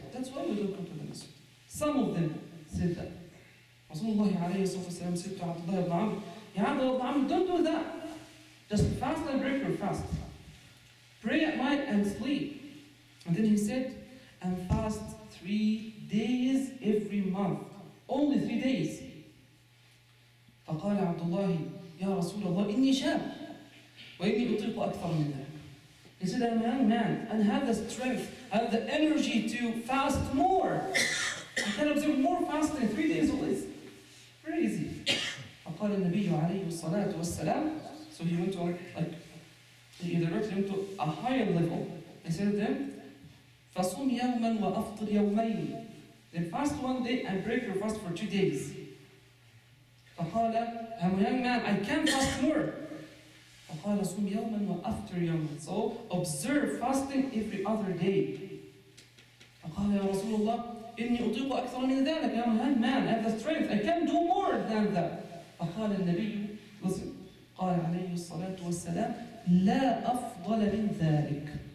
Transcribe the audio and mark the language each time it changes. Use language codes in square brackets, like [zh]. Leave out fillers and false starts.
[en] That's why we don't come to the masjid. Some of them said that. Rasulullah alayhi wasallam said to Abdullah ibn Amr, Ya Abdullah ibn Amr, don't do that. Just fast and break your fast. Pray at night and sleep. And then he said, and fast 3 days every month. Only 3 days. [ar] فقال عبد الله يا رسول الله إني شاب وإني أطيق أكثر من ذلك. [en] He said, I'm a young man and have the strength, have the energy to fast more. I can observe more fasting 3 days always. Crazy. [ar] فقال النبي عليه الصلاة والسلام. [en] So he went to he directed him to a higher level. He said to them, [ar] فصوم يوما وأفطر يومين. [en] Then fast one day and break your fast for 2 days. [ar] فقال, [en] I'm a young man, I can't fast more. [ar] فقال صوم يوما وأفطر يومين. [en] So observe fasting every other day. [ar] فقال يا رسول الله, إني أطيق أكثر من ذلك. [en] I'm a young man, I have the strength, I can do more than that. [ar] فقال النبي, [en] listen, [ar] قال عليه الصلاة والسلام, لا أفضل من ذلك.